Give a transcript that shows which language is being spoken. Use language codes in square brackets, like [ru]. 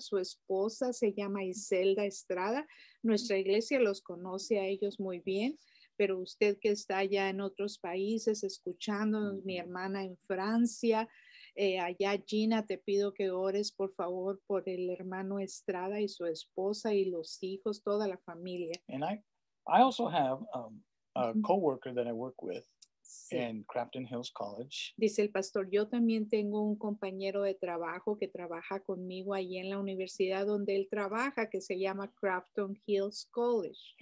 [es] Su esposa se llama Iselda Estrada. Nuestra iglesia los conoce a ellos muy bien, pero usted que está allá en otros países escuchándonos, mi hermana en Francia, allá Gina, te pido que ores por favor por el hermano Estrada y su esposa y los hijos, toda la familia. [en] And I also have a coworker that I work with. [es] Sí. [en] In Crafton Hills College. [es] Dice el pastor, yo también tengo un compañero de trabajo que trabaja conmigo ahí en la universidad donde él trabaja, que se llama Crafton Hills College.